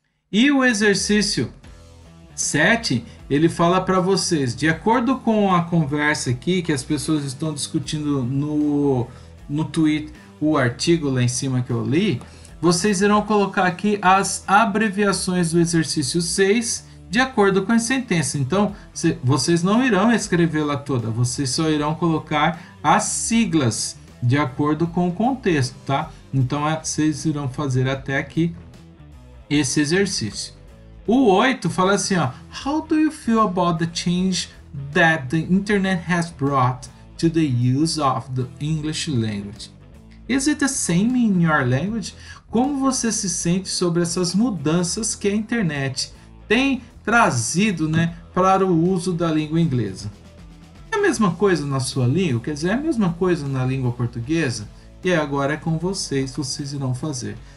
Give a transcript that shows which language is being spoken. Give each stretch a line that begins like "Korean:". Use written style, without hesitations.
Portuguese: E o exercício 7, ele fala para vocês, de acordo com a conversa aqui, que as pessoas estão discutindo no Twitter, o artigo lá em cima que eu li, vocês irão colocar aqui as abreviações do exercício 6, de acordo com a sentença. Então, vocês não irão escrevê-la toda, vocês só irão colocar as siglas de acordo com o contexto, tá? Então, vocês irão fazer até aqui esse exercício. O 8 fala assim, ó:
English: How do you feel about the change that the internet has brought to the use of the English language? Is it the same in your language?
Portuguese: Como você se sente sobre essas mudanças que a internet tem trazido, né, para o uso da língua inglesa? É a mesma coisa na sua língua? Quer dizer, é a mesma coisa na língua portuguesa? E agora é com vocês, vocês irão fazer.